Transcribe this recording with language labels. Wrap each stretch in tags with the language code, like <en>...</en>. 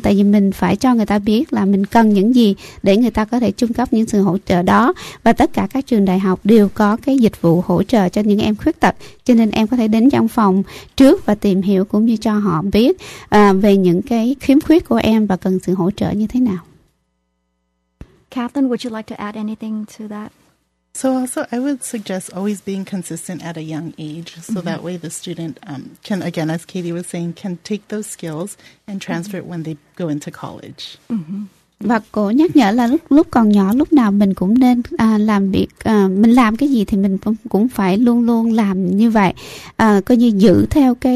<vi>Tại vì mình phải cho người ta biết là mình cần những gì để người ta có thể cung cấp những sự hỗ trợ đó. Và tất cả các trường đại học đều có cái dịch vụ hỗ trợ cho những em khuyết tật, cho nên em có thể đến trong phòng trước và tìm hiểu cũng như cho họ biết về những cái khiếm khuyết của em và cần sự hỗ trợ như thế nào.</vi> <en>Catherine, would you like to add anything to that? So also, I would suggest always being consistent at a young age, so mm-hmm. that way the student can, again, as Katie was saying, can take those skills and transfer mm-hmm. it when they go into college.</en> <vi>Mm-hmm. Và cô nhắc nhở là lúc còn nhỏ, lúc nào mình cũng nên làm việc, mình làm cái gì thì mình cũng phải luôn luôn làm như vậy, coi như giữ theo</vi>